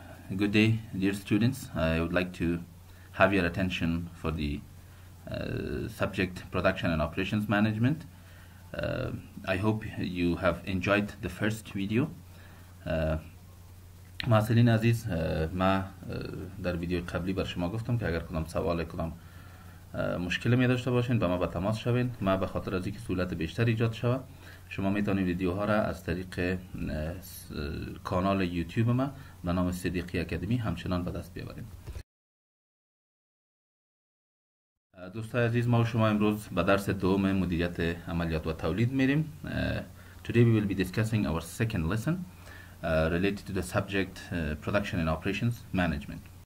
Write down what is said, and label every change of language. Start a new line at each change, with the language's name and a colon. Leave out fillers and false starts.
English: Good day dear students, I would like to have your attention for the subject production and operations management. I hope you have enjoyed the first video.
Persian: محصلین عزیز، ما در ویدیو قبلی بر شما گفتم که اگر کدام سوال کدام مشکل می داشته باشین با ما به تماس شوین. ما به خاطر از اینکه سهولت بیشتر ایجاد شوه، شما می توانید ویدیوها را از طریق کانال یوتیوب ما به نام صدیقی اکادمی همچنان به دست بیاورید. دوستان عزیز، ما و شما امروز به درس دوم مدیریت عملیات و تولید میریم.
English: Today we will be discussing our second lesson related to the subject production and operations management.